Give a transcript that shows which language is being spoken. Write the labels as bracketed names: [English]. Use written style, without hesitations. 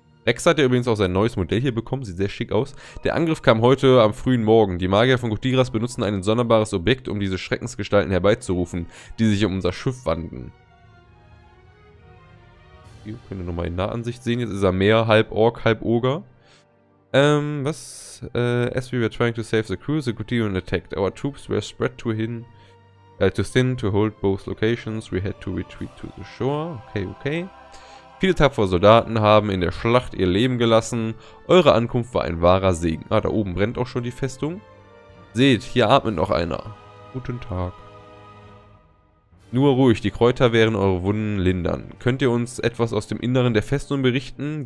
[German] Rex hat ja übrigens auch sein neues Modell hier bekommen, sieht sehr schick aus. Der Angriff kam heute am frühen Morgen. Die Magier von Kutiras benutzen ein sonderbares Objekt, um diese Schreckensgestalten herbeizurufen, die sich um unser Schiff wanden. Hier könnt ihr nochmal in Nahansicht sehen, jetzt ist er mehr halb Ork, halb Oger. Was? [English] As we were trying to save the crew, the Kutiran attacked. Our troops were spread too thin to hold both locations. We had to retreat to the shore. Okay, okay. [German] Viele tapfere Soldaten haben in der Schlacht ihr Leben gelassen. Eure Ankunft war ein wahrer Segen. Ah, da oben brennt auch schon die Festung. Seht, hier atmet noch einer. Guten Tag. Nur ruhig, die Kräuter werden eure Wunden lindern. Könnt ihr uns etwas aus dem Inneren der Festung berichten?